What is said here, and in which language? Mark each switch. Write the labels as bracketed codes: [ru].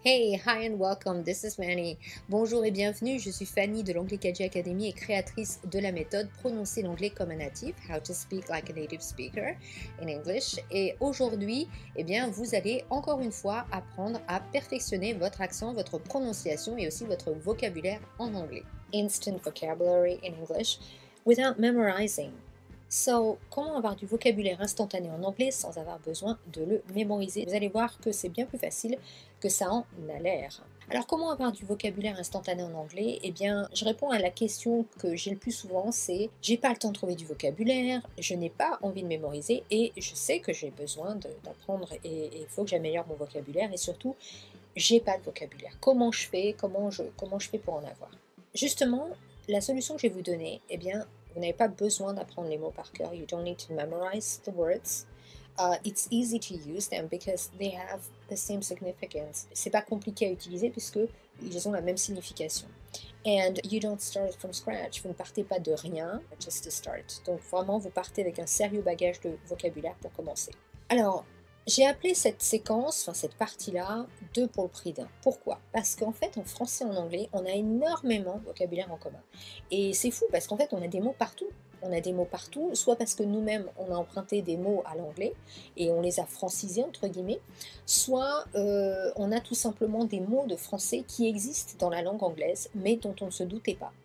[en] Hey, hi and welcome, this is Manny. [fr] Bonjour et bienvenue, je suis Fanny de l'Anglais Kaji Academy et créatrice de la méthode Prononcer l'anglais comme un natif, [en] How to speak like a native speaker in English. [fr] Et aujourd'hui, eh bien, vous allez encore une fois apprendre à perfectionner votre accent, votre prononciation et aussi votre vocabulaire en anglais. [en] Instant vocabulary in English without memorizing. [fr] So, comment avoir du vocabulaire instantané en anglais sans avoir besoin de le mémoriser? Vous allez voir que c'est bien plus facile que ça en a l'air. Alors, comment avoir du vocabulaire instantané en anglais? Eh bien, je réponds à la question que j'ai le plus souvent, c'est « j'ai pas le temps de trouver du vocabulaire, je n'ai pas envie de mémoriser et je sais que j'ai besoin d'apprendre et il faut que j'améliore mon vocabulaire et surtout, j'ai pas de vocabulaire. Comment je fais? Comment je fais pour en avoir ?» Justement, la solution que je vais vous donner, eh bien, vous n'avez pas besoin d'apprendre les mots par cœur. [en] You don't need to memorize the words. It's easy to use them because they have the same significance. [fr] C'est pas compliqué à utiliser puisque ils ont la même signification. [en] And you don't start from scratch. [fr] Vous ne partez pas de rien, [en] just to start. [fr] Donc vraiment, vous partez avec un sérieux bagage de vocabulaire pour commencer. Alors, j'ai appelé cette séquence, enfin cette partie-là, deux pour le prix d'un. Pourquoi? Parce qu'en fait, en français et en anglais, on a énormément de vocabulaire en commun. Et c'est fou parce qu'en fait, on a des mots partout. On a des mots partout, soit parce que nous-mêmes, on a emprunté des mots à l'anglais et on les a francisés, entre guillemets, soit on a tout simplement des mots de français qui existent dans la langue anglaise, mais dont on ne se doutait pas.